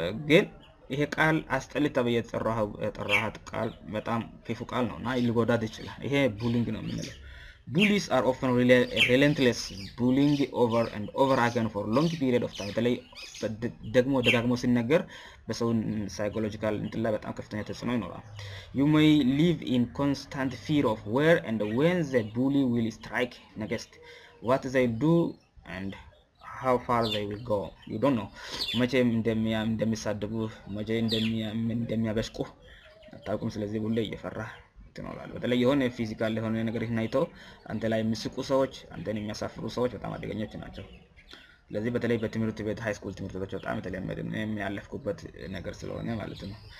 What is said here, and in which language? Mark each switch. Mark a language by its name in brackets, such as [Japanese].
[Amharic] ግን ይሄ ቃል አስጠልታ ብዬ የጠራሃት ቃል በጣም ክፉ ቃል ነው እና ሊጎዳት ይችላል ይሄ ቡሊንግ ነው የምንለው [English] Bullies are often relentless bullying over and over again for long period of time. [Amharic] በተለይ ደግሞ ሲነገር በሰው psychological እንትን ላይ በጣም ከፍተኛ ተጽዕኖ ይኖራል. [English] You may live in constant fear of where and when the bully will strike next. What they do and how far they will go. You don't know. [Amharic] መቼ እንደሚሳደቡ መቼ እንደሚያበሽቁ አታውቁም ስለዚህ ሁሉ እየፈራ ነውላል በተለይ የሆነ ፊዚካል ለሆነ ነገር ይናይቶ አንተ ላይ የሚስቁ ሰዎች አንተን የሚያሳፍሩ ሰዎች በጣም አደገኞች ናቸው ስለዚህ በተለይ በትምህርት ቤት ሃይ ስኩል ትምህርት ቤት በጣም የተለመደ ነው የሚያለፍኩበት ነገር ስለሆነ ማለት ነው